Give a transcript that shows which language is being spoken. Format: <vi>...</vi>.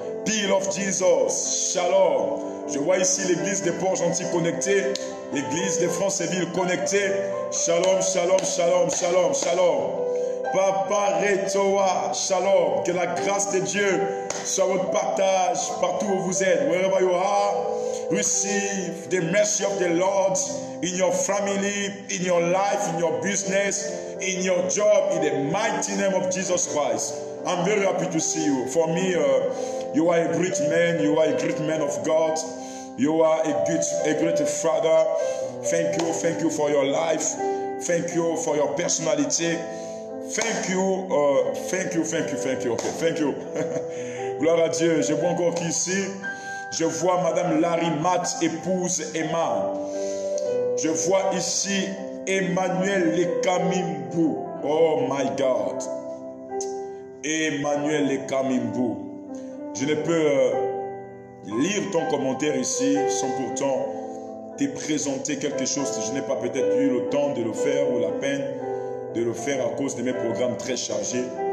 <en>Peel of Jesus, shalom.</en> <fr>Je vois ici l'église des Port-Gentil connectée, l'église de Franceville connectée. Shalom, shalom, shalom, shalom, shalom. Papa Retoa, shalom. Que la grâce de Dieu soit votre partage partout où vous êtes.</fr> <en>Wherever you are, receive the mercy of the Lord in your family, in your life, in your business, in your job, in the mighty name of Jesus Christ. I'm very happy to see you. For me, you are a great man. You are a great man of God. You are a great father. Thank you for your life. Thank you for your personality. Thank you, thank you, thank you, thank you. Okay, thank you.</en> <fr>Gloire à Dieu. Je vois encore qui ici. Je vois Madame Larry Matt, épouse Emma. Je vois ici Emmanuel Lekamimbu.</fr> <en>Oh my God.</en> <fr>Emmanuel Lekamimbu, je ne peux lire ton commentaire ici sans pourtant te présenter quelque chose que je n'ai pas peut-être eu le temps de le faire ou la peine de le faire à cause de mes programmes très chargés.</fr>